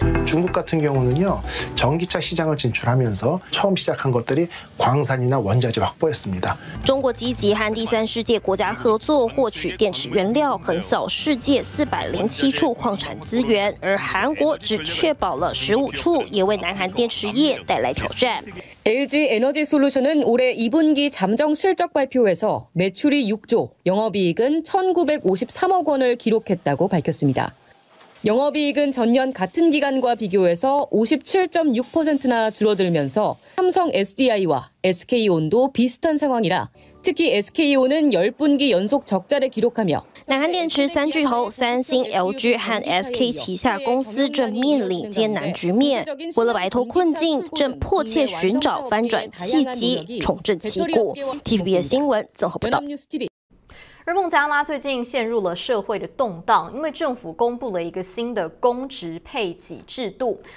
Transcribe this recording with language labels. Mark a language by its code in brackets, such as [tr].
[ko] 중국같은경우는요전기차시장을진출하면서처음시작한것들이광산이나원자재확보였습니다 [zh] 中国积极和第三世界国家合作获取电池原料横扫世界407处矿产资源而韩国只确保了15处也为南韩电池业带来挑战 [ko] LG 에너지솔루션은올해2분기잠정실적발표에서매출이6조영업이익은1953억원을기록했다고밝혔습니다영업이익은전년같은기간과비교해서 57.6% 나줄어들면서삼성 SDI 와 SK 온도비슷한상황이라특히 SKO 는10분기연속적자를기록하며 [zh] 南韩电池三巨头三星、LG 和 SK 旗下公司正面临艰难局面，为了摆脱困境，正迫切寻找翻转契机，重振旗鼓。 TVBS 新闻综合报道。而孟加拉最近陷入了社会的动荡，因为政府公布了一个新的公职配给制度。